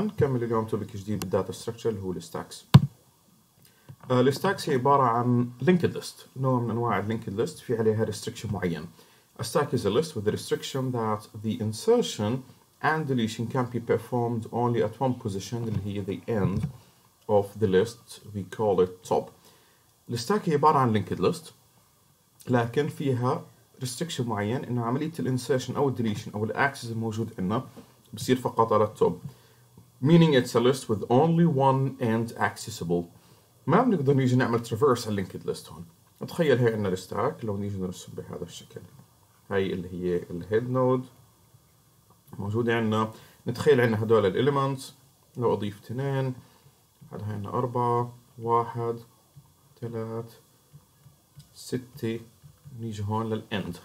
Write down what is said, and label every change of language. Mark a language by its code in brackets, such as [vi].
[ar] نكمل اليوم توبيك جديد بالداتا ستراكشر اللي هو الستاكس. الستاكس هي عباره عن لينكد ليست، نوع من انواع اللينكد ليست في عليها ريستريكشن معين. [en] A stack is a list with a restriction that the insertion and deletion can be performed only at one position, [ar] اللي هي [en] the end of the list. We call it top. [ar] الستاك هي عباره عن لينكد ليست لكن فيها ريستريكشن معين، انه عمليه الانسرشن او الديليشن او الاكسس الموجود عندنا بصير فقط على التوب. [en] Meaning it's a list with only one end accessible. [ar] ما بنقدر نيجي نعمل ترافيرس على اللينكد ليست هون. تخيل هي عندنا الستاك، لو نيجي نرسم بهذا الشكل، هاي اللي هي الهيد نود موجودة عندنا. نتخيل عندنا هدول الاليمنتس، لو اضيف 2 بعد هاي عندنا 4 1 3 6 نيجي هون للاند.